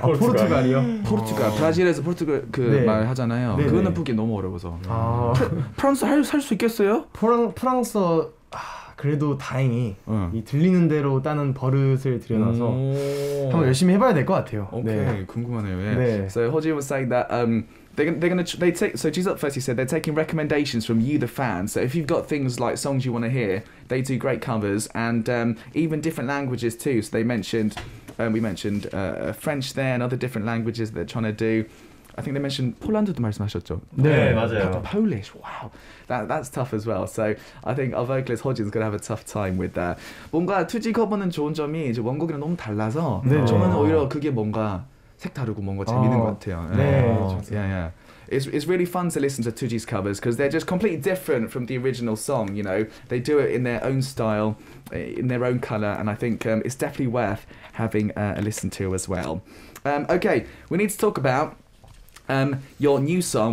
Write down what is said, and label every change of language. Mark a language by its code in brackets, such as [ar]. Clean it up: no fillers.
[ko] 아, 포르투갈이요? 포르투갈. 브라질에서 포르투갈 그 네. 말 하잖아요. 네. 그거는 포기 너무 어려워서. 아. 프랑스 살 수 있겠어요? 프랑스어 그래도 다행히 이 들리는 대로 따는 버릇을 들여놔서 한번 열심히 해봐야 될 것 같아요. 오케이, 네. 궁금하네요. 네. 네. [en] So, Hoji was saying that So G's up first. He said they're taking recommendations from you, the fans. So if you've got things like songs you want to hear, they do great covers and even different languages too. So they mentioned, we mentioned French there and other different languages that they're trying to do. I think they mentioned [ko] 폴란드도 말씀하셨죠. 네, 네 맞아요. [en] Polish. Wow, that's tough as well. So I think our vocalist Hodgins is gonna have a tough time with that. [ko] 뭔가 2G 커버는 좋은 점이 이제 원곡이랑 너무 달라서 네. 저는 오히려 그게 뭔가 색 다르고 뭔가 재밌는 것 같아요. 네. [en] Yeah, yeah. It's really fun to listen to 2G's covers because they're just completely different from the original song. You know, they do it in their own style, in their own color, and I think it's definitely worth having a listen to as well. Okay, we need to talk about your new song.